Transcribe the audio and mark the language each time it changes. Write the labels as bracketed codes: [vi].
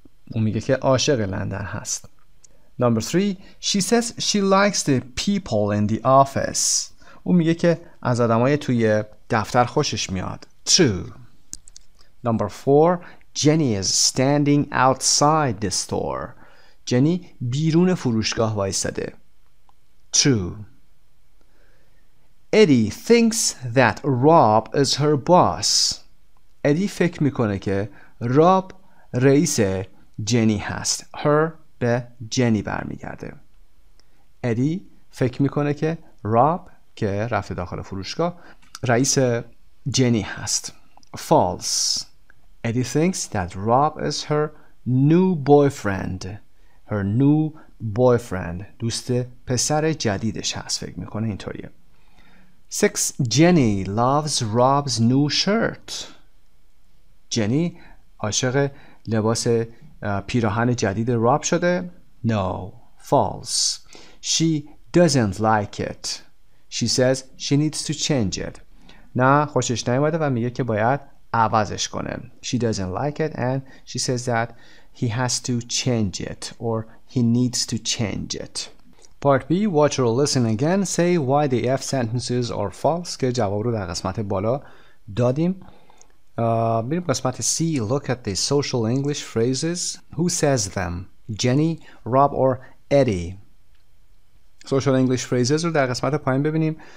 [fa] اون میگه که عاشق لندن هست. [en] Number three, she says she likes the people in the office. [fa] اون میگه که از آدمای توی دفتر خوشش میاد. [en] True. Number four, Jenny is standing outside the store. [fa] Jenny بیرون فروشگاه وایستاده. [en] True. Eddie thinks that Rob is her boss. [fa] Eddie فکر میکنه که Rob رئیس جنی هست. Her به جنی برمیگرده. Eddie فکر میکنه که Rob که رفته داخل فروشگاه رئیس جنی هست. [en] False. Eddie thinks that Rob is her new boyfriend. Her new boyfriend. [fa] دوست پسر جدیدش هست. فکر میکنه اینطوریه. 6. [en] Jenny loves Rob's new shirt. [fa] Jenny عاشق لباس پیراهن جدید Rob شده. [en] No. False. She doesn't like it. She says she needs to change it. [fa] نه خوشش نیومده و میگه که باید عوضش کنه. [en] She doesn't like it and she says that he has to change it or he needs to change it. Part B, watch or listen again. Say why the F sentences are false. [fa] که جواب رو در قسمت بالا دادیم. بریم قسمت C, [en] look at the social English phrases. Who says them? [fa] Jenny, Rob or Eddie? Social English phrases رو در قسمت پایین ببینیم.